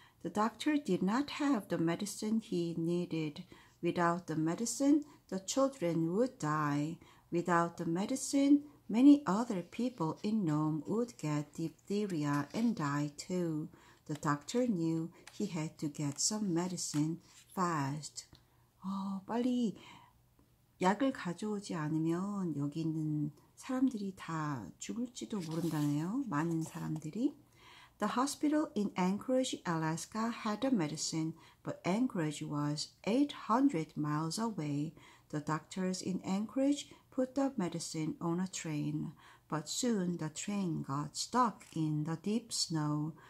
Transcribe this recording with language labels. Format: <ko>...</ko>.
<en>The doctor did not have the medicine he needed. Without the medicine, the children would die. Without the medicine, many other people in Nome would get diphtheria and die too. The doctor knew he had to get some medicine fast.</en> <ko>Oh, 빨리 약을 가져오지 않으면 여기 있는 사람들이 다 죽을지도 모른다네요. 많은 사람들이.</ko> <en>The hospital in Anchorage, Alaska had a medicine, but Anchorage was 800 miles away. The doctors in Anchorage put the medicine on a train, but soon the train got stuck in the deep snow.</en>